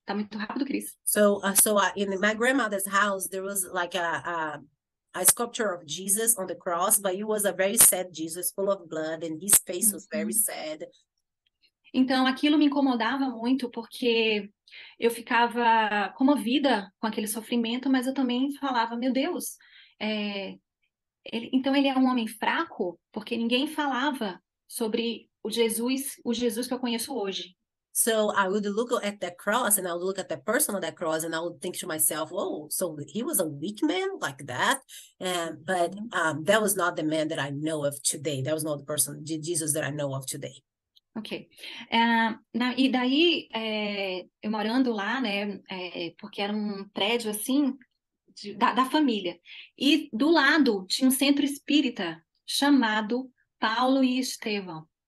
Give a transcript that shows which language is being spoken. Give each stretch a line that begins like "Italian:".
Portuguese: Tá muito rápido, Cris.
English: In my grandmother's house, there was like a sculpture of Jesus on the cross, but it was a very sad Jesus, full of blood, and his face was very sad.
Portuguese: Então, aquilo me incomodava muito, porque eu ficava comovida com aquele sofrimento, mas eu também falava, meu Deus, então ele é um homem fraco, porque ninguém falava sobre o Jesus que eu conheço hoje.
English: So I would look at the cross and I would look at the person on that cross and I would think to myself, oh, so he was a weak man like that. And that was not the man that I know of today. That was not the person, Jesus, that I know of today. Ok.
Portuguese: E daí, eu morando lá, né, porque era um prédio assim, da família. E do lado tinha um centro espírita chamado Paulo e Estevão.